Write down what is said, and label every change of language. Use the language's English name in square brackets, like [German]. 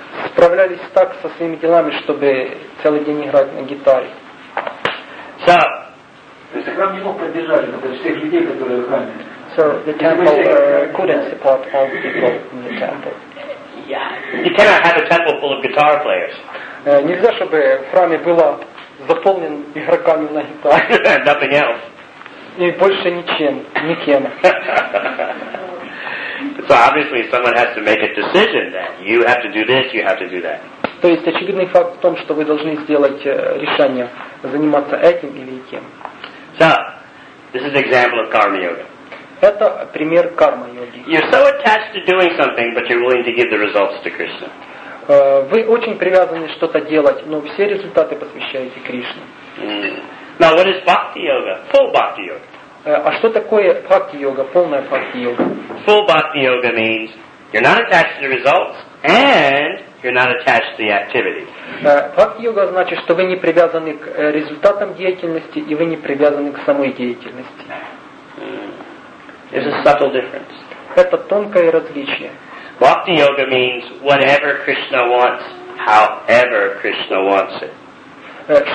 [Russian] Справлялись так со своими делами, чтобы целый день играть на гитаре. [English] So, the temple couldn't support all the people in the temple. Yeah. You cannot have a temple full of guitar players. [Russian] Нельзя, чтобы в храме было заполнен игроками на гитаре. [English] Nothing else. [Russian] И больше ничем, никем. [English] So obviously someone has to make a decision then. You have to do this, you have to do that. [Russian] То есть очевидный факт в том, что вы должны сделать решение заниматься этим или тем. [English] So, this is an example of karma yoga. [Russian] Это пример карма йоги. [English] You're so attached to doing something, but you're willing to give the results to Krishna. [Russian] Вы очень привязаны что-то делать, но все результаты посвящаете Кришне. [English] Now, what is bhakti yoga? Full bhakti yoga. [Russian] А что такое бхакти йога? Полная бхакти йога. [English] Full bhakti yoga means you're not attached to the results and you're not attached to the activity. [Russian] Бхакти йога значит, что вы не привязаны к результатам деятельности и вы не привязаны к самой деятельности. [English] There's a subtle difference. [Russian] Это тонкое различие. [English] Bhakti yoga means whatever Krishna wants, however Krishna wants it.